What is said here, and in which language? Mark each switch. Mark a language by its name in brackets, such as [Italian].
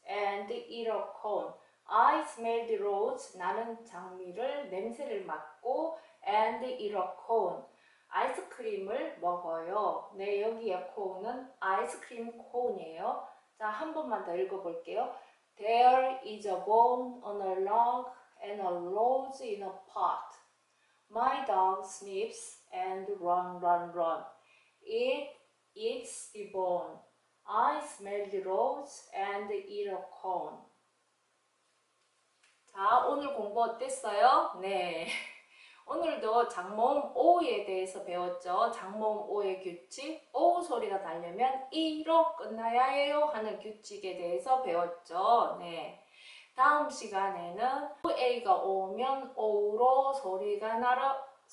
[English] And eat a cone. I smell the rose. [Korean] 나는 장미를 냄새를 맡고 [English] and eat a cone. [Korean] 아이스크림을 먹어요. 네, 여기에 cone은 아이스크림 cone이에요. 자, 한 번만 더 읽어볼게요. [English] There is a bone on a log and a rose in a pot. My dog sniffs and run, run, run. It It's the bone. I smell the rose and eat a corn. [Korean] 자, 오늘 공부 어땠어요? 네. 오늘도 장모음 O에 대해서 배웠죠. 장모음 O의 규칙, O 소리가 나려면 E로 끝나야 해요 하는 규칙에 대해서 배웠죠. 네. 다음 시간에는 OA가 오면 O로 소리가 나라.